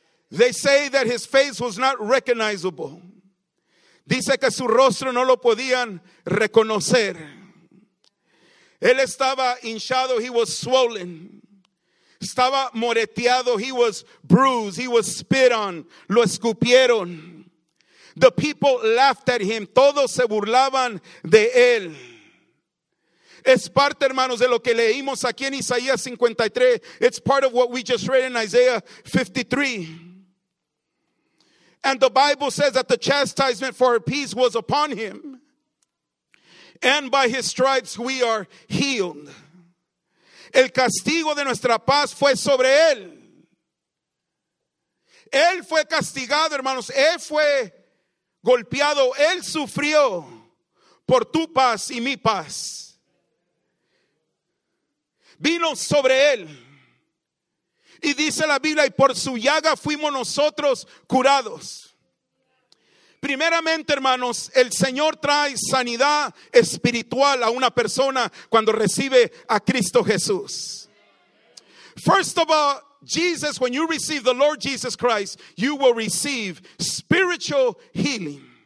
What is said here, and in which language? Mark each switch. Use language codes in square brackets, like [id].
[en] They say that his face was not recognizable. [es] Dice que su rostro no lo podían reconocer. Él estaba hinchado. [en] He was swollen. [es] Estaba moreteado. [en] He was bruised. He was spit on. [es] Lo escupieron. [en] The people laughed at him. [es] Todos se burlaban de él. Es parte, hermanos, de lo que leímos aquí en Isaías 53. [en] It's part of what we just read in Isaiah 53. And the Bible says that the chastisement for our peace was upon him. And by his stripes we are healed. [es] El castigo de nuestra paz fue sobre él. Él fue castigado, hermanos. Él fue golpeado. Él sufrió por tu paz y mi paz. Vino sobre él. Y dice la Biblia, y por su llaga fuimos nosotros curados. Primeramente, hermanos, el Señor trae sanidad espiritual a una persona cuando recibe a Cristo Jesús. [en] First of all, Jesus, when you receive the Lord Jesus Christ, you will receive spiritual healing.